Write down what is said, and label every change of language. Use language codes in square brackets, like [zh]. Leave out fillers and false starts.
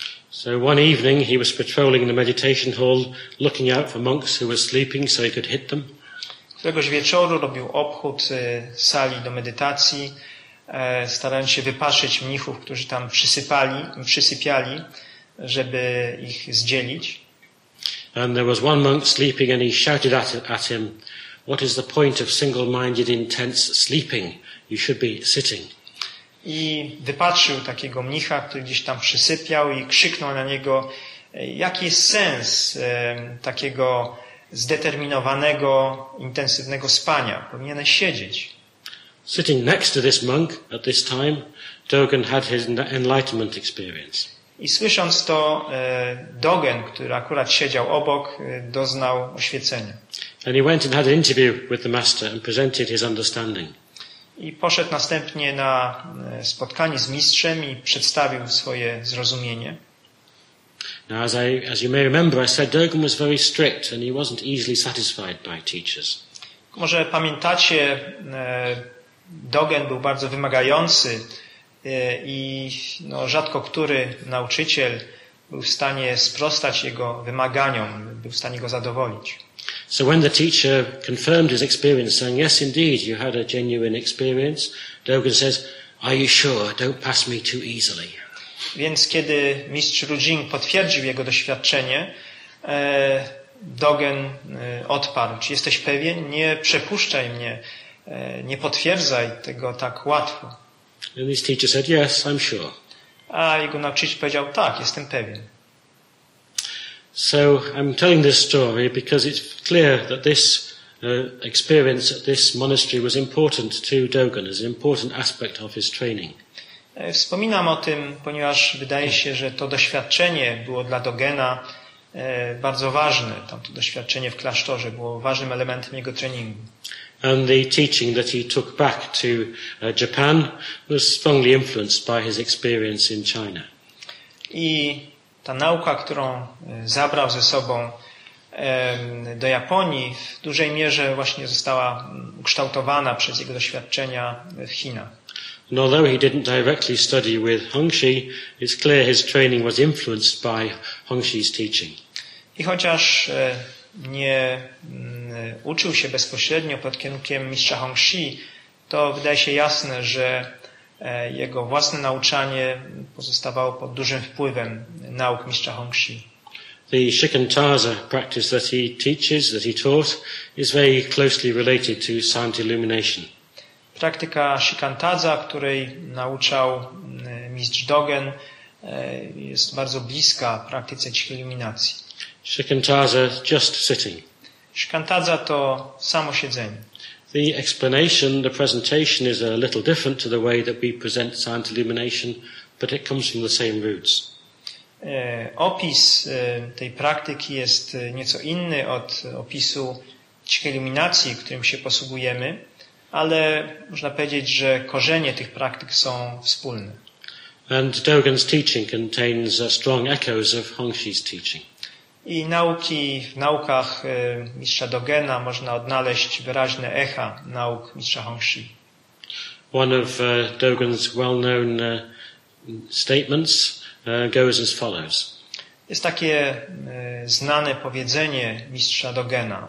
[en] So one evening he was patrolling the meditation hall, looking out for monks who were sleeping so he could hit them. [pl] Któregoś wieczoru robił obchód sali do medytacji, starając się wypatrzeć mnichów, którzy tam przysypiali, żeby ich zdzielić. [en] And there was one monk sleeping and he shouted at him, "What is the point of single-minded, intense sleeping? You should be sitting." [pl] I wypatrzył takiego mnicha, który gdzieś tam przysypiał i krzyknął na niego, jaki jest sens takiego zdeterminowanego, intensywnego spania? Powinieneś siedzieć. [en] Sitting next to this monk at this time, Dogen had his enlightenment experience. [pl] I słysząc to, Dogen, który akurat siedział obok, doznał oświecenia. [en] And he went and had an interview with the master and presented his understanding. [pl] I poszedł następnie na spotkanie z mistrzem i przedstawił swoje zrozumienie. [en] Now, as you may remember, I said Dogen was very strict and he wasn't easily satisfied by teachers. [pl] Może pamiętacie, Dogen był bardzo wymagający i rzadko który nauczyciel był w stanie sprostać jego wymaganiom, był w stanie go zadowolić. [en] So when the teacher confirmed his experience, saying, "Yes, indeed, you had a genuine experience," Dogen says, "Are you sure? Don't pass me too easily." [pl] Więc kiedy mistrz Ru Jing potwierdził jego doświadczenie, Dogen odparł, "Czy jesteś pewien? Nie przepuszczaj mnie, nie potwierdzaj tego tak łatwo." [en] And his teacher said, "Yes, I'm sure." [pl] A jego nauczyciel powiedział, "Tak, jestem pewien." [en] So I'm telling this story because it's clear that this experience at this monastery was important to Dogen as an important aspect of his training. [pl] Wspominam o tym, ponieważ wydaje się, że to doświadczenie było dla Dogena bardzo ważne. Tamto doświadczenie w klasztorze było ważnym elementem jego treningu. [en] And the teaching that he took back to Japan was strongly influenced by his experience in China. [pl] I ta nauka, którą zabrał ze sobą do Japonii w dużej mierze właśnie została ukształtowana przez jego doświadczenia w Chinach. [en] And although he didn't directly study with Hongxi, it's clear his training was influenced by Hongxi's teaching. [pl] I chociaż nie uczył się bezpośrednio pod kierunkiem mistrza Hongxi, to wydaje się jasne, że jego własne nauczanie pozostawało pod dużym wpływem nauk mistrza Hongxi. [en] The Shikantaza practice that he teaches, that he taught, is very closely related to silent illumination. [pl] Praktyka Shikantaza, której nauczał mistrz Dogen, jest bardzo bliska praktyce cichej iluminacji. [en] Shikantaza, just sitting. [pl] Shikantaza to samo siedzenie. [en] The explanation, the presentation is a little different to the way that we present silent illumination, but it comes from the same roots. [pl] Opis tej praktyki jest nieco inny od opisu cichej iluminacji, którym się posługujemy, ale można powiedzieć, że korzenie tych praktyk są wspólne. [en] And Dogen's teaching contains strong echoes of Hongxi's teaching. [pl] I nauki w naukach mistrza Dogena można odnaleźć wyraźne echa nauk mistrza Hongxi. [en] One of Dogen's well-known statements goes as follows. [pl] Jest takie znane powiedzenie mistrza Dogena.